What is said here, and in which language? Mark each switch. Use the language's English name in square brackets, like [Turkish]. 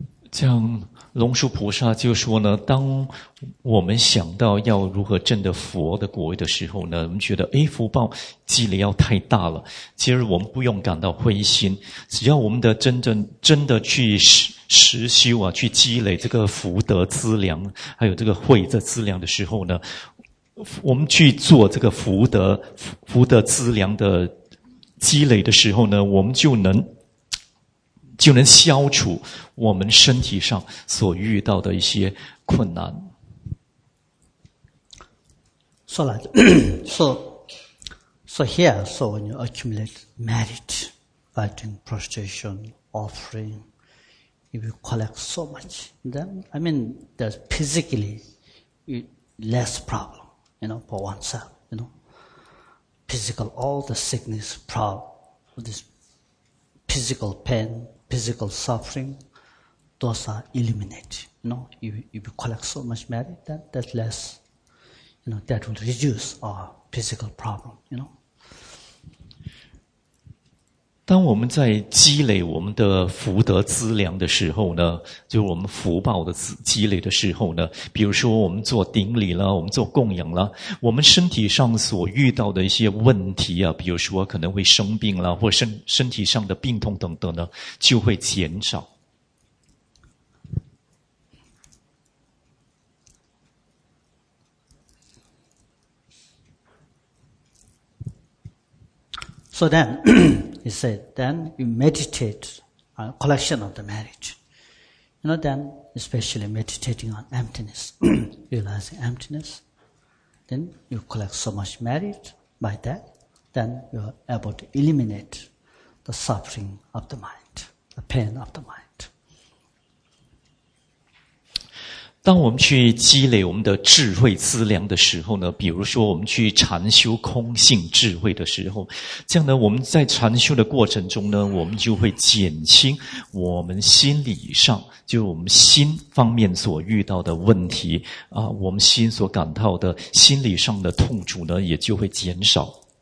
[Chinese] 这样龙树菩萨就说呢，当我们想到要如何证得佛的果位的时候呢，我们觉得诶，福报积累要太大了，其实我们不用感到灰心，只要我们的真的去实修啊，去积累这个福德资粮还有这个慧的资粮的时候呢，我们去做这个福德资粮的积累的时候呢，我们就能消除我们身体上所遇到的一些困难。 [English] So like, so here, so when you accumulate merit by doing prostration, offering, if you collect so much, then, I mean, there's physically less problem, you know, for oneself, you know. Physical, all the sickness, problem, this physical pain,physical suffering, those are eliminated. You know, if you collect so much merit, then that's less, you know, that will reduce our physical problem, you know. [Chinese] 当我们在积累我们的福德资粮的时候呢，就是我们福报的积累的时候呢，比如说我们做顶礼了，我们做供养了，我们身体上所遇到的一些问题啊，比如说可能会生病了，或身体上的病痛等等呢，就会减少。 [English] So then, he said, then you meditate on collection of the merit. You know, then, especially meditating on emptiness, realizing emptiness, then you collect so much merit by that, then you are able to eliminate the suffering of the mind, the pain of the mind. [Chinese] 当我们去积累我们的智慧资粮的时候呢，比如说我们去禅修空性智慧的时候，这样呢，我们在禅修的过程中呢，我们就会减轻我们心理上，就我们心方面所遇到的问题啊，我们心所感到的心理上的痛楚呢，也就会减少。